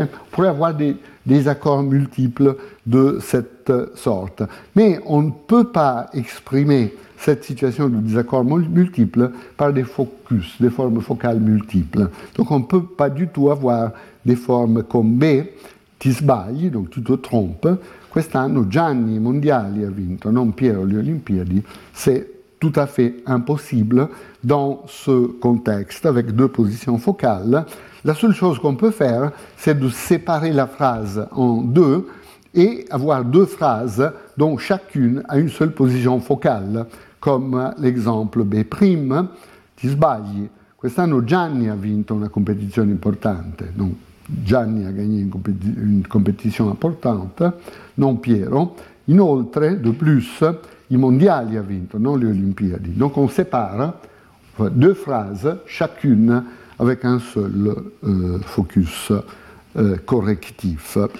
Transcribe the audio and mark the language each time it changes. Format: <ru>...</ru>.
<fr>On pourrait avoir des accords multiples de cette sorte. Mais on ne peut pas exprimer cette situation de désaccord multiple par des focus, des formes focales multiples. Donc on ne peut pas du tout avoir des formes comme B,</fr> <it>ti sbagli,</it> <fr>donc tu te trompes.</fr> <it>Quest'anno Gianni Mondiali ha vinto, non Piero le Olimpiadi.</it> <fr>C'est tout à fait impossible dans ce contexte avec 2 positions focales. La seule chose qu'on peut faire, c'est de séparer la phrase en 2 et avoir 2 phrases dont chacune a une seule position focale, comme l'exemple B'.</fr> <it>Ti sbagli, quest'anno Gianni ha vinto una competizione importante.</it> <fr>Donc, Gianni a gagné une compétition importante, non Piero.</fr> <it>Inoltre,</it> <fr>de plus,</fr> <it>i mondiali ha vinto, non le Olimpiadi.</it> <fr>Donc on sépare 2 phrases, chacune avec un seul focus correctif.</fr>